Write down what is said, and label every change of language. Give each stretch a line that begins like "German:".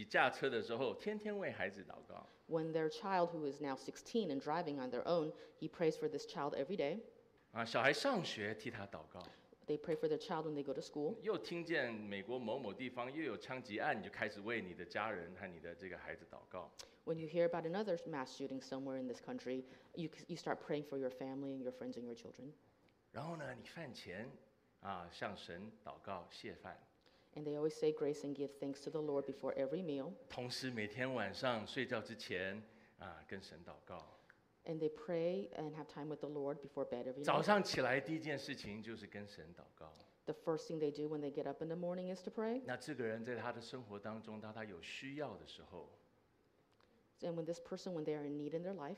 Chinese: 16岁了开始自己驾车的时候天天为孩子祷告。
English: When their child who is now 16 and driving on their own, he prays for this child every day.
Chinese: 小孩上学替他祷告。
English: They pray for their child when they go to school.
Chinese: 又听见美国某某地方又有枪击案，你就开始为你的家人和你的这个孩子祷告。
English: When you hear about another mass shooting somewhere in this country, you start praying for your family and your friends and your children.
Chinese: 然后呢，你饭前啊向神祷告谢饭。
English: And they always say grace and give thanks to the Lord before every meal.
Chinese: 同时每天晚上睡觉之前啊跟神祷告。
English: And they pray and have time with the Lord before bed every night.
Chinese: 早上起来第一件事情就是跟神祷告。
English: The first thing they do when they get up in the morning is to pray.
Chinese: 那这个人在他的生活当中，当他有需要的时候。
English: And when this person, when they are in need in their life,